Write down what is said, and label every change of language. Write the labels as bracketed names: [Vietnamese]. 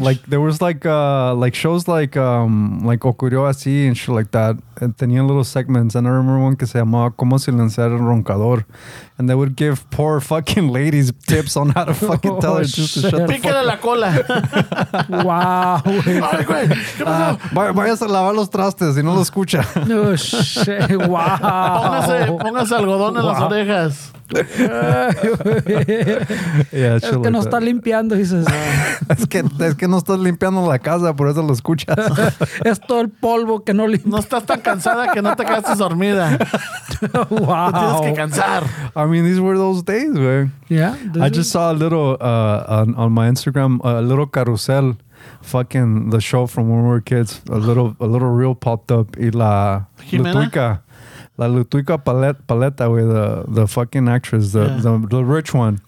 [English] Like there was like shows like Ocurrió Así and shit like that. And tenían little segments. And I remember one [Spanish] que se llamaba [English] ¿Cómo silenciar un roncador? And they would give poor fucking ladies tips on how to fucking tell her just to shut the fuck up. [Spanish] Píquele la cola. [English] Wow. [Spanish] Ay, güey. ¿Qué pasó? Vayas a lavar los trastes y no lo escucha. [English] No, oh, shit. Wow. [Spanish] Póngase algodón en las orejas. [English] Yeah, [Spanish] es que [English] like no that. [Spanish] Está limpiando, dices. es que no estás limpiando la casa, por eso lo escuchas. Es todo el polvo que no limpias. No estás tan cansada que no te quedaste dormida. [English] Wow. [Spanish] Te tienes que cansar. [English] I mean, these were those days, man. Yeah. I just saw a little on my Instagram, a little carousel, fucking the show from when we were kids. A little reel popped up. [Spanish] Y la Lutuica. [English] La Lutuica Paleta, güey, the fucking actress, the rich one.